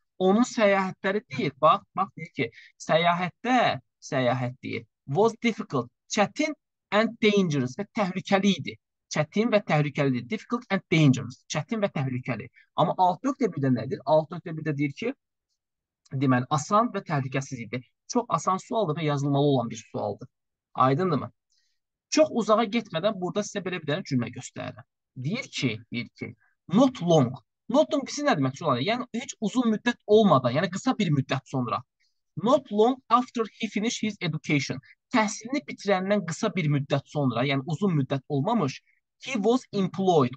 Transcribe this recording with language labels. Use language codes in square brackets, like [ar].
[az] Onun səyahətləri deyir. Bax deyir ki, səyahət deyir. [en] Was difficult. [az] Çətin [en] and dangerous [az] və təhlükəli idi. Çətin və təhlükəli idi. [en] Difficult and dangerous. [az] Çətin və təhlükəli. Amma 6.1-də nədir? 6.1-də deyir ki, deməli asan və təhlükəsiz idi. Çox asan sualdır və yazılmalı olan bir sualdır. Aydındır mı? Çox uzağa getmədən burada sizə belə bir dənə cümlə göstərirəm. Deyir ki, not long. Not long bizim nə demək olar? Yəni heç uzun müddət olmadan, yəni qısa bir müddət sonra. [en] Not long after he finished his education. [az] Təhsilini bitirəndən qısa bir müddət sonra, yəni uzun müddət olmamış, [en] he was employed.